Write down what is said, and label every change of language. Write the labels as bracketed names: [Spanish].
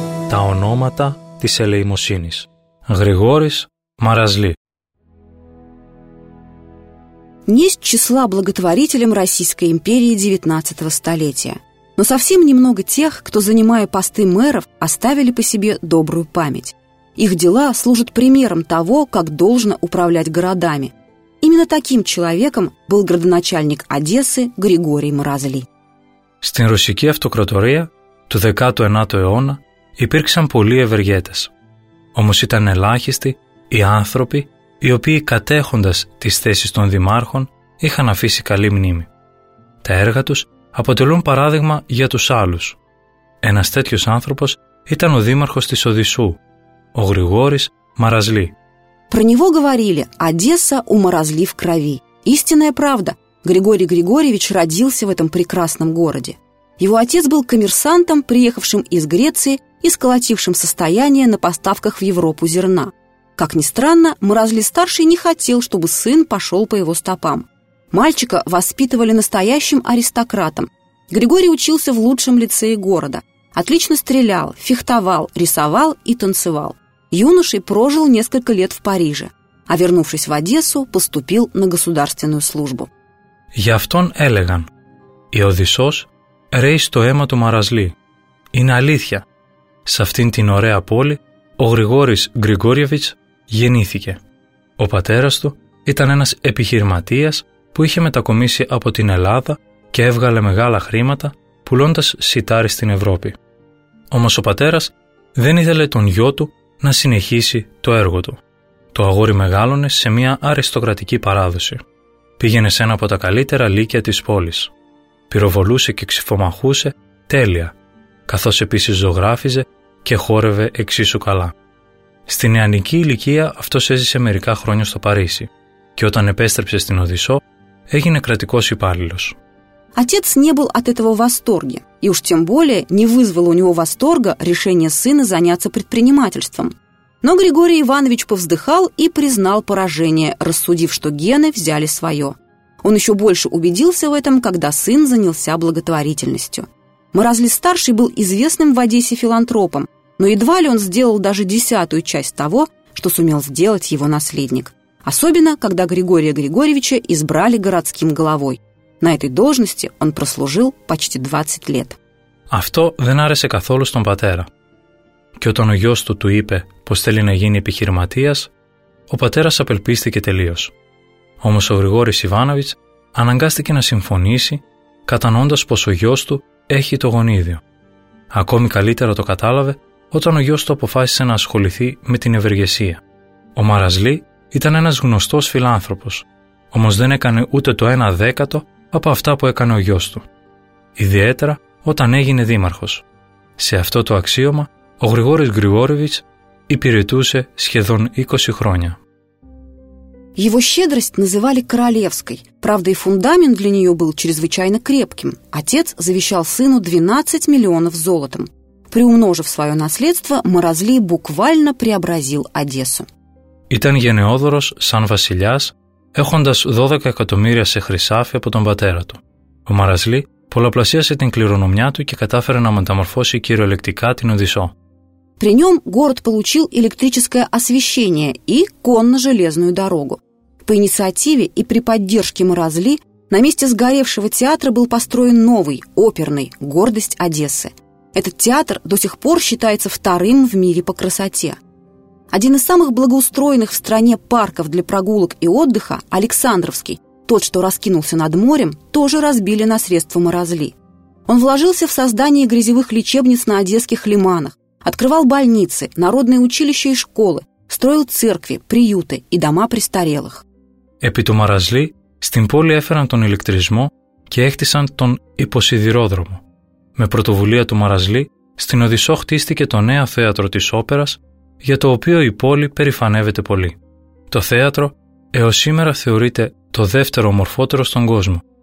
[Greek] Τα ονόματα της ελεημοσύνης. Γρηγόρης Μαραζλή. [Russian] Не из числа благотворителям Российской империи 19-го столетия, но совсем немного тех, кто, занимая посты мэров, оставили по себе добрую память. Их дела служат примером того, как должно управлять городами. Именно таким человеком был градоначальник Одессы Григорий Мразли. [Greek] Στην ρωσική αυτοκρατορία του 19ου αιώνα υπήρξαν πολλοί ευεργέτες. Όμως ήταν ελάχιστοι οι άνθρωποι οι οποίοι κατέχοντας τις θέσεις των δημάρχων είχαν αφήσει καλή μνήμη. Τα έργα τους αποτελούν παράδειγμα για τους άλλους. Ένας τέτοιος άνθρωπος ήταν ο δήμαρχος της Οδυσσού, ο Γρηγόρης Μαραζλή. [Russian] Про него говорили «Одесса у Маразли в крови». Истинная правда. Григорий Григорьевич родился в этом прекрасном городе. Его отец был коммерсантом, приехавшим из Греции и сколотившим состояние на поставках в Европу зерна. Как ни странно, Мразли-старший не хотел, чтобы сын пошел по его стопам. Мальчика воспитывали настоящим аристократом. Григорий учился в лучшем лицее города. отлично стрелял, фехтовал, рисовал и танцевал. Юношей прожил несколько лет в Париже, а вернувшись в Одессу, поступил на государственную службу. [Greek] «Я в тон элеган, и Одиссос рей στο αίμα του Μαραζλή. Είναι αλήθεια. Σε αυτήν την ωραία πόλη ο Γρηγόρης Γρηγόριεβιτς γεννήθηκε. Ο πατέρας του ήταν ένας επιχειρηματίας που είχε μετακομίσει από την Ελλάδα και έβγαλε μεγάλα χρήματα πουλώντας σιτάρι στην Ευρώπη. Όμως ο πατέρας δεν ήθελε τον γιο του να συνεχίσει το έργο του. Το αγόρι μεγάλωνε σε μια αριστοκρατική παράδοση. Πήγαινε σε ένα από τα καλύτερα λύκεια της πόλης. Πυροβολούσε και ξυφομαχούσε τέλεια, καθώς επίσης ζωγράφιζε και χόρευε εξίσου καλά. Στη νεανική ηλικία αυτός έζησε μερικά χρόνια στο Παρίσι και όταν επέστρεψε στην Οδυσσό έγινε κρατικός υπάλληλος. [Russian] Отец не был от этого в восторге, и уж тем более не вызвало у него восторга решение сына заняться предпринимательством. Но Григорий Иванович повздыхал и признал поражение, рассудив, что гены взяли свое. Он еще больше убедился в этом, когда сын занялся благотворительностью. Мразли-старший был известным в Одессе филантропом, но едва ли он сделал даже десятую часть того, что сумел сделать его наследник. Особенно, когда Григория Григорьевича избрали городским головой. На этой должности он прослужил почти 20 лет. [Greek] Авто δεν άρεσε καθόλου στον πατέρα. Και όταν ο γιος του του είπε πως θέλει να γίνει επιχειρηματίας, ο πατέρας απελπίστηκε τελείως. Όμως ο Γρηγόρης Ιβάνοβιτς αναγκάστηκε να συμφωνήσει, κατανοώντας πως ο γιος του έχει το γονίδιο. Ακόμη καλύτερα το κατάλαβε όταν ο γιος του αποφάσισε να ασχοληθεί με την ευεργεσία. Ο Μαραζλή ήταν ένας γνωστός φιλάνθρωπος, όμως δεν έκανε ούτε το 1/10 από αυτά που έκανε ο γιος του. Ιδιαίτερα όταν έγινε δήμαρχος. Σε αυτό το αξίωμα ο Γρηγόρης Γρηγόριεβιτς υπηρετούσε σχεδόν 20 χρόνια. [Russian] Его щедрость называли королевской, правда и фундамент для нее был чрезвычайно крепким. Отец завещал сыну 12 миллионов золотом. Приумножив свое наследство, Мразли буквально преобразил Одессу. [Greek] Ήταν γενναιόδωρος σαν βασιλιάς, έχοντας 12 εκατομμύρια σε χρυσάφι από τον πατέρα του. Ο Μαραζλή πολλαπλασίασε την κληρονομιά του και κατάφερε να μεταμορφώσει κυριολεκτικά την Οδυσσό. [Russian] При нем город получил электрическое освещение и конно-железную дорогу. По инициативе и при поддержке Мразли на месте сгоревшего театра был построен новый, оперный, гордость Одессы. Этот театр до сих пор считается вторым в мире по красоте. Один из самых благоустроенных в стране парков для прогулок и отдыха, Александровский, тот, что раскинулся над морем, тоже разбили на средства Мразли. Он вложился в создание грязевых лечебниц на одесских лиманах, открывал больницы, народные училища и школы, строил церкви, приюты и дома престарелых. [Greek] Επί του Μαραζλή, στην πόλη έφεραν τον ηλεκτρισμό και έκτισαν τον υποσιδηρόδρομο. Με πρωτοβουλία του Μαραζλή, στην Οδυσσό χτίστηκε το νέο θέατρο της όπερας, για το οποίο η πόλη περηφανεύεται πολύ. Το θέατρο έως σήμερα θεωρείται το δεύτερο ομορφότερο στον κόσμο.